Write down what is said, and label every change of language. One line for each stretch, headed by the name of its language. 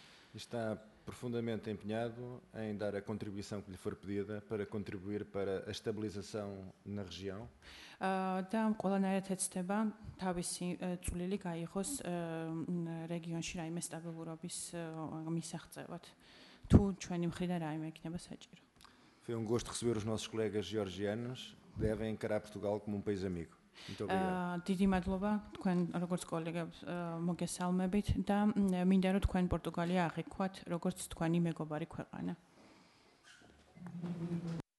Portuguese: Está profundamente empenhado em dar a contribuição que lhe for pedida para contribuir para a estabilização na região.
Georgian: Там колонаре тецтеба თავისი წვლილი გაიღოს რეგიონში რაიმე სტაბილურობის მისაღწევად თუ ჩვენი მხრიდან რაიმე იქნება საჭირო.
Portuguese: Foi um gosto receber os nossos colegas georgianos, devem encarar Portugal como um país amigo.
Georgian: დიდი მადლობა თქვენ როგორც კოლეგებს მოგესალმებით და მინდა რომ თქვენ პორტუგალია აღიქვათ როგორც თქვენი მეგობარი ქვეყანა.